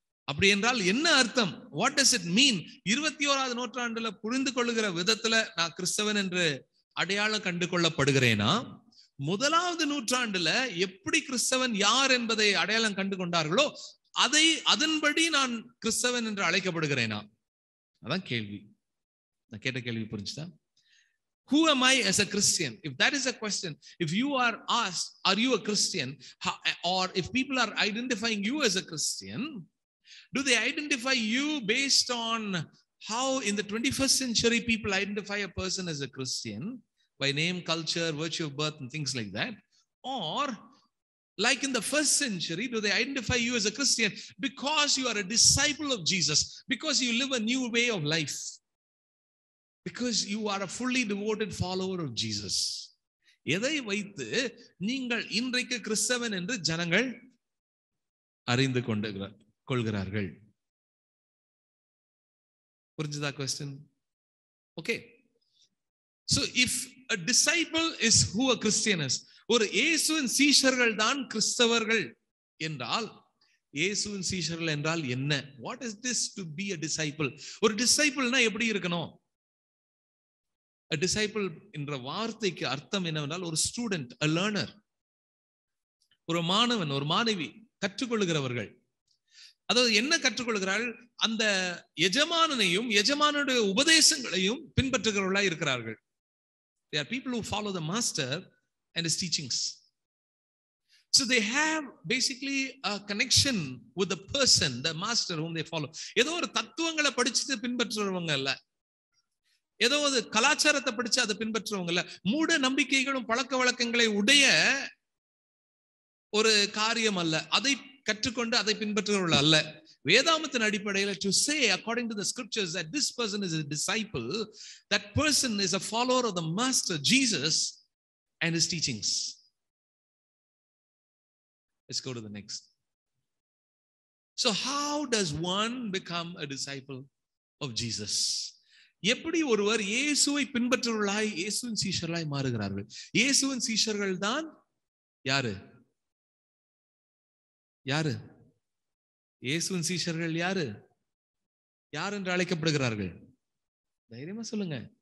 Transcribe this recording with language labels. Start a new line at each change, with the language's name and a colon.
Tamil: அப்படி என்றால் என்ன அர்த்தம்,
English: what does it mean,
Tamil: 21வது நூற்றாண்டுல புரிந்து கொள்ளுகிற விதத்துல நான் கிறிஸ்தவன் என்று அடையாளம் கண்டு கொள்ளப்படுகிறேனா, முதலாவது நூற்றாண்டுல எப்படி கிறிஸ்தவன் யார் என்பதை அடையாளம் கண்டு கொண்டார்களோ அதை அதன்படி நான் கிறிஸ்தவன் என்று அழைக்கப்படுகிறேனா, அதான் கேள்வி. நான் கேட்ட கேள்வி புரிஞ்சுதா?
English: Who am I as a Christian? If that is a question, if you are asked, are you a Christian? Or if people are identifying you as a Christian, do they identify you based on how in the 21st century people identify a person as a Christian? By name, culture, virtue of birth and things like that? Or like in the first century, do they identify you as a Christian because you are a disciple of Jesus, because you live a new way of life, because you are a fully devoted follower of Jesus?
Tamil: எதை வைத்து நீங்கள் இன்றைக்கு கிறிஸ்தவன் என்று ஜனங்கள் அறிந்து கொள்கிறார்கள்?
English: புரிஞ்சுதா question? Okay. So if a disciple is who a Christian is,
Tamil: ஒரு இயேசுவின் சீஷர்கள் தான் கிறிஸ்தவர்கள் என்றால், இயேசுவின் சீஷர்கள் என்றால் என்ன?
English: What is this to be a disciple?
Tamil: ஒரு டிசைபிள்னா எப்படி இருக்கணும்? எ டிசைபிள் என்ற வார்த்தைக்கு அர்த்தம் என்னவென்றால் ஒரு ஸ்டூடெண்ட், எ லேர்னர், ஒரு மாணவன், ஒரு மாணவி, கற்றுக்கொள்கிறவர்கள். அதாவது என்ன கற்றுக்கொள்கிறாள்? அந்த எஜமானனையும் எஜமானனுடைய உபதேசங்களையும் பின்பற்றுகிறவர்களாக இருக்கிறார்கள்.
English: They are people who follow the master and his teachings. So they have basically a connection with the person, the master whom they follow.
Tamil: ஏதோ ஒரு தத்துவங்களை படிச்சுட்டு பின்பற்றுறவங்க இல்ல, ஏதோ ஒரு கலாச்சாரத்தை படிச்சு அதை பின்பற்றுறவங்க இல்ல, மூட நம்பிக்கைகளும் பழக்க வழக்கங்களை உடைய ஒரு காரியம் அல்ல, அதை கற்றுக்கொண்டு அதை பின்பற்றுகிறவர்கள் அல்ல. வேதாமத்தின் அடிப்படையில்
English: to say according to the scriptures that this person is a disciple, that person is a follower of the master Jesus and his teachings. Let's go to the next. So how does one become a disciple of Jesus?
Tamil: எப்படி ஒருவர் இயேசுவை பின்பற்றுவர்களாய், இயேசுவின் சீஷர்களாய் மாறுகிறார்கள்? இயேசுவின் சீஷர்கள் தான் யாரு? யாரு இயேசுவின் சீஷர்கள்? யாரு? யார் என்று அழைக்கப்படுகிறார்கள்? தைரியமா சொல்லுங்க.